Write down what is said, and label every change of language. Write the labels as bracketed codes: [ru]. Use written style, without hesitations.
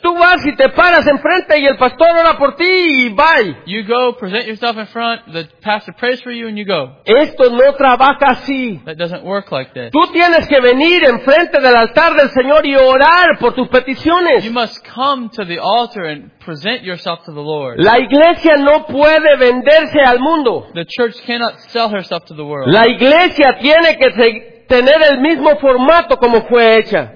[es] Tú vas y te paras enfrente y el pastor ora por ti y bye. [en] You go, present yourself in front, the pastor prays for you and you go. [es] Esto no trabaja así. [en] That doesn't work like this. [es] Tú tienes que venir enfrente del altar del Señor y orar por tus peticiones. [en] You must come to the altar and present yourself to the Lord. [es] La iglesia no puede venderse al mundo. [en] The church cannot sell herself to the world. [es] La iglesia tiene que tener el mismo formato como fue hecha.